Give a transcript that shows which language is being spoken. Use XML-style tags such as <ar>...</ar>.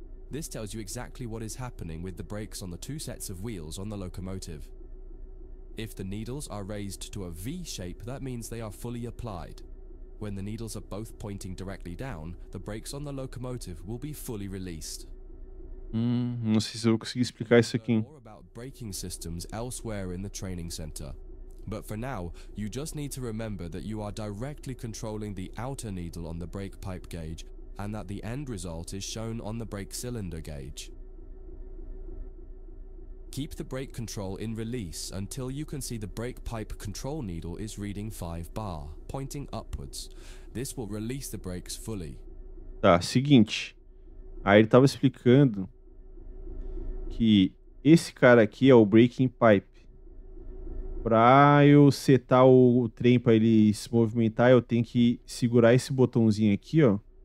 <en>This tells you exactly what is happening with the brakes on the two sets of wheels on the locomotive. If the needles are raised to a V shape, that means they are fully applied. When the needles are both pointing directly down, the brakes on the locomotive will be fully released.</en> <pt>Não sei se eu consegui explicar isso aqui.</pt> <en>More about braking systems elsewhere in the training center. But for now, you just need to remember that you are directly controlling the outer needle on the brake pipe gauge and that the end result is shown on the brake cylinder gauge. Keep the brake control in release until you can see the brake pipe control needle is reading 5 bar, pointing upwards. This will release the brakes fully.</en> <pt>Tá, seguinte. Aí ele tava explicando que esse cara aqui é o braking pipe. Para eu setar o trem para ele se movimentar, eu tenho que segurar esse botãozinho aqui, ó.</pt>